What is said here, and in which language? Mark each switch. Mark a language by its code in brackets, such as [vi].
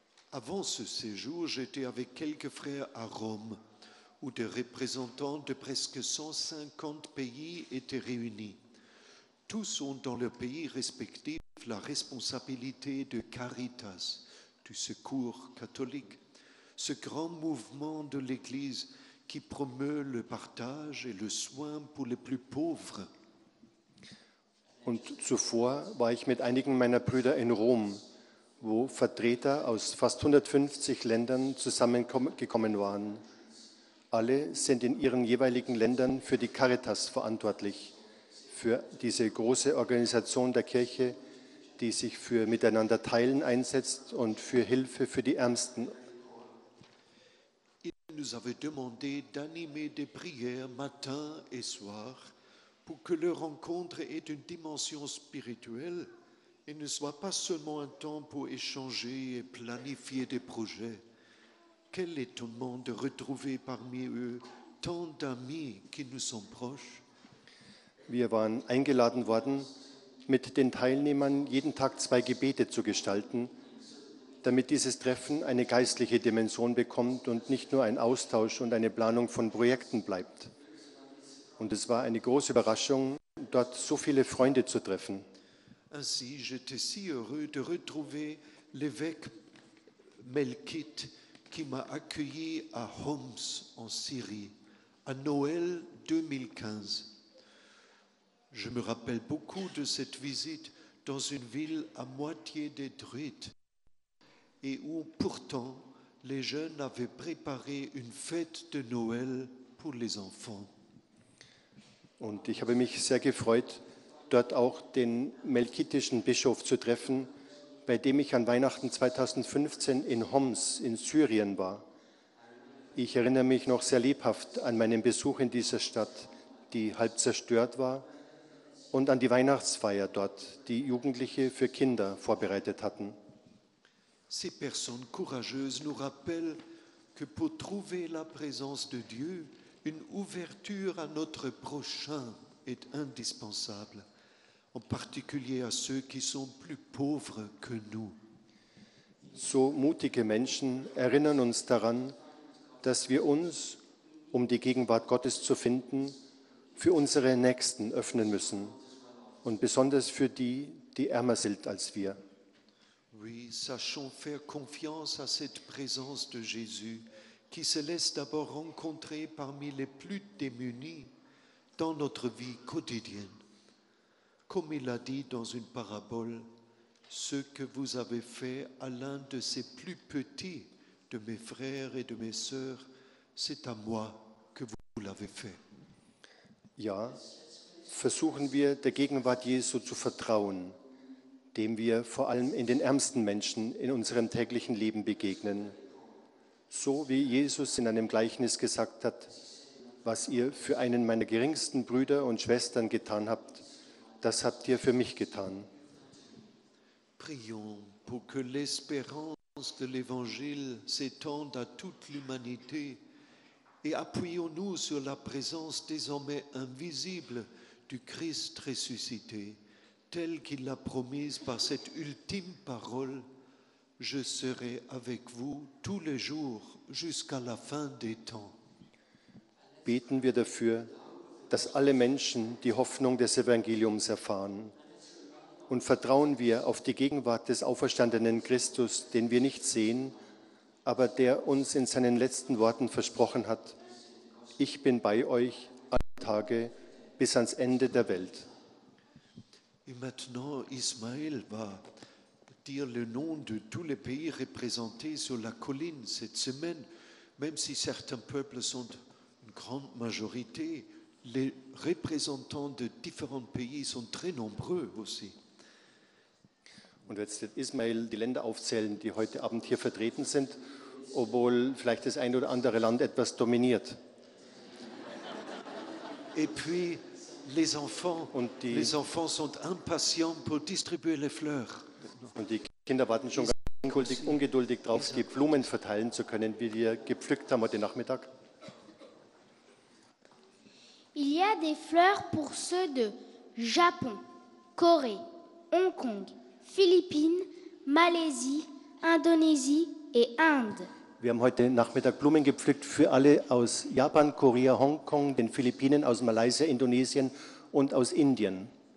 [fr] Avant ce séjour, j'étais avec quelques frères à Rome, où des représentants de presque 150 pays étaient réunis. Tous ont dans leur pays respectif la responsabilité de Caritas, du Secours catholique, ce grand mouvement de l'Église qui promeut le partage et le soin pour les plus pauvres. [de] Und zuvor war ich mit einigen meiner Brüder in Rom, wo Vertreter aus fast 150 Ländern zusammengekommen waren. Alle sind in ihren jeweiligen Ländern für die Caritas verantwortlich, für diese große Organisation der Kirche, die sich für Miteinander teilen einsetzt und für Hilfe für die Ärmsten. [fr] Ils nous avaient demandé d'animer des prières matin et soir pour que leur rencontre ait une dimension spirituelle et ne soit pas seulement un temps pour échanger et planifier des projets. Quel étonnement de retrouver parmi eux tant d'amis qui nous sont proches. [de] Wir waren eingeladen worden, mit den Teilnehmern jeden Tag zwei Gebete zu gestalten, damit dieses Treffen eine geistliche Dimension bekommt und nicht nur ein Austausch und eine Planung von Projekten bleibt. Und es war eine große Überraschung, dort so viele Freunde zu treffen. [fr] Ainsi, j'étais si heureux de retrouver l'évêque Melkit, qui m'a accueilli à Homs en Syrie, à Noël 2015. Je me rappelle beaucoup de cette visite dans une ville à moitié détruite et où pourtant les jeunes avaient préparé une fête de Noël pour les enfants. [de] Und ich habe mich sehr gefreut, dort auch den melkitischen Bischof zu treffen, bei dem ich an Weihnachten 2015 in Homs in Syrien war. Ich erinnere mich noch sehr lebhaft an meinen Besuch in dieser Stadt, die halb zerstört war, und an die Weihnachtsfeier dort, die Jugendliche für Kinder vorbereitet hatten. [fr] Ces personnes courageuses nous rappellent que pour trouver la présence de Dieu, une ouverture à notre prochain est indispensable, en particulier à ceux qui sont plus pauvres que nous. [de] So mutige Menschen erinnern uns daran, dass wir uns, um die Gegenwart Gottes zu finden, für unsere Nächsten öffnen müssen. Und besonders für die, die ärmer sind als wir. [fr] Oui, sachons faire confiance à cette présence de Jésus, qui se laisse d'abord rencontrer parmi les plus démunis dans notre vie quotidienne. Comme il a dit dans une parabole, ce que vous avez fait à l'un de ces plus petits de mes frères et de mes sœurs, c'est à moi que vous l'avez fait. [de] Ja. Versuchen wir, der Gegenwart Jesu zu vertrauen, dem wir vor allem in den ärmsten Menschen in unserem täglichen Leben begegnen. So wie Jesus in einem Gleichnis gesagt hat, was ihr für einen meiner geringsten Brüder und Schwestern getan habt, das habt ihr für mich getan. [fr] Prions pour que l'espérance de l'Évangile s'étende à toute l'humanité et appuyons-nous sur la présence désormais invisible du Christ ressuscité, tel qu'il l'a promise par cette ultime parole, je serai avec vous tous les jours jusqu'à la fin des temps. [de] Beten wir dafür, dass alle Menschen die Hoffnung des Evangeliums erfahren. Und vertrauen wir auf die Gegenwart des auferstandenen Christus, den wir nicht sehen, aber der uns in seinen letzten Worten versprochen hat, ich bin bei euch alle Tage, bis ans Ende der Welt. [fr] Et maintenant, Ismaël va dire le nom de tous les pays représentés sur la colline cette semaine, même si certains peuples sont une grande majorité, les représentants de différents pays sont très nombreux aussi. [de] Und jetzt wird Ismaël die Länder aufzählen, die heute Abend hier vertreten sind, obwohl vielleicht das ein oder andere Land etwas dominiert. [fr] Et puis, Les enfants sont impatients pour distribuer les fleurs. [de] Und die Kinder warten schon ganz ungeduldig drauf, die Blumen verteilen zu können, wie wir gepflückt haben heute Nachmittag. [fr] Il y a des fleurs pour ceux de Japon, Corée, Hong Kong, Philippines, Malaisie, Indonésie et Inde. [de] Wir haben heute Nachmittag Blumen gepflückt für alle aus Japan, Korea, Hongkong, den Philippinen, aus Malaysia, Indonesien und aus Indien.